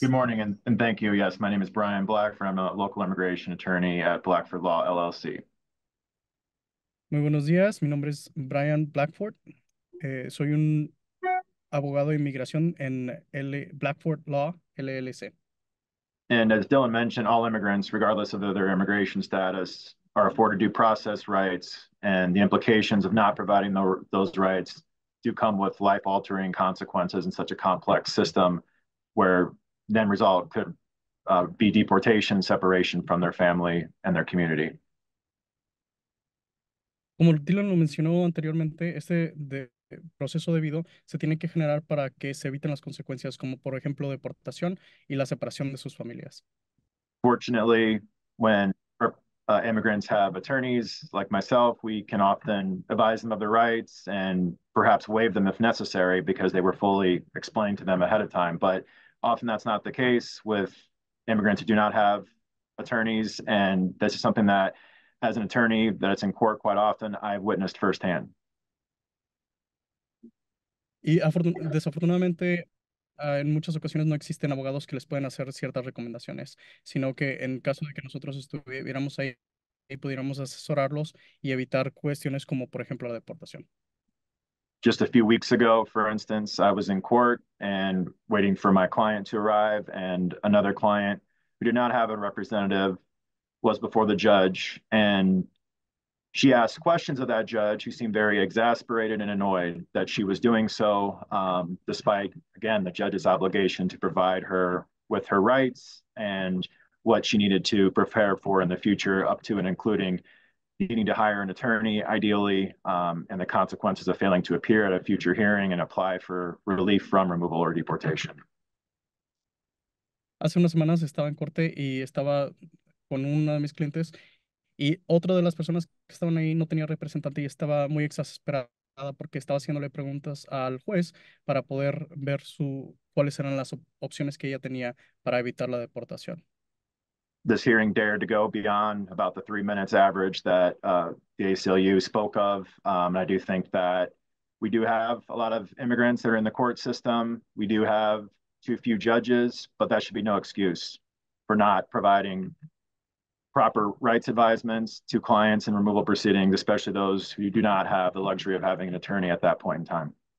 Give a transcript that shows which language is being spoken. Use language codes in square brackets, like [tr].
[en] Good morning and thank you. Yes, my name is Brian Blackford. I'm a local immigration attorney at Blackford Law LLC. [es] Muy buenos días. Mi nombre es Brian Blackford. Soy un abogado de inmigración en Blackford Law LLC. [en] And as Dylan mentioned, all immigrants, regardless of their immigration status, are afforded due process rights, and the implications of not providing those rights do come with life-altering consequences in such a complex system, where then result could be deportation, separation from their family and their community. [es] Como Dylan lo mencionó anteriormente, este proceso debido se tiene que generar para que se eviten las consecuencias como, por ejemplo, deportación y la separación de sus familias. [en] Fortunately, when immigrants have attorneys like myself, we can often advise them of their rights and perhaps waive them if necessary because they were fully explained to them ahead of time. But often that's not the case with immigrants who do not have attorneys, and this is something that, as an attorney that's in court quite often, I've witnessed firsthand. [es] Y desafortunadamente, en muchas ocasiones no existen abogados que les pueden hacer ciertas recomendaciones, sino que en caso de que nosotros estuviéramos ahí, pudiéramos asesorarlos y evitar cuestiones como, por ejemplo, la deportación. [en] Just a few weeks ago, for instance, I was in court and waiting for my client to arrive, and another client who did not have a representative was before the judge, and she asked questions of that judge, who seemed very exasperated and annoyed that she was doing so, despite, again, the judge's obligation to provide her with her rights and what she needed to prepare for in the future, up to and including needing to hire an attorney, ideally, and the consequences of failing to appear at a future hearing and apply for relief from removal or deportation. [es] Hace unas semanas estaba en corte y estaba con una de mis clientes, y otra de las personas que estaban ahí no tenía representante y estaba muy exasperada porque estaba haciéndole preguntas al juez para poder ver cuáles eran las opciones que ella tenía para evitar la deportación. [en] This hearing dared to go beyond about the 3 minutes average that the ACLU spoke of. I do think that we do have a lot of immigrants that are in the court system. We do have too few judges, but that should be no excuse for not providing proper rights advisements to clients in removal proceedings, especially those who do not have the luxury of having an attorney at that point in time.